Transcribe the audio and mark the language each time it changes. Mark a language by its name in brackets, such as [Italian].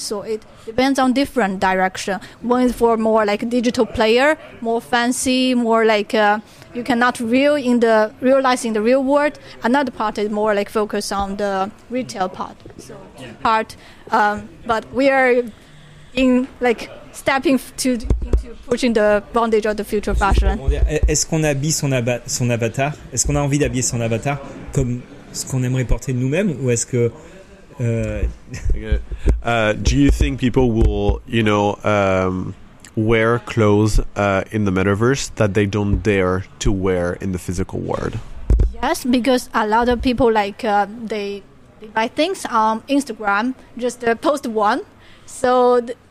[English] So it depends on different direction. One is for more like digital player, more fancy, more like you cannot realize in the real world. Another part is more like focus on the retail part. So yeah, part, but we are in like stepping into pushing the bondage of the future fashion. [French] Est-ce qu'on habille son avatar? Est-ce qu'on a envie d'habiller son avatar comme ce qu'on aimerait porter nous-mêmes, ou est-ce que [English] Do you think people will, you know, wear clothes in the Metaverse that they don't dare to wear in the physical world? Yes, because a lot of people, like, they buy things on Instagram, just post one. So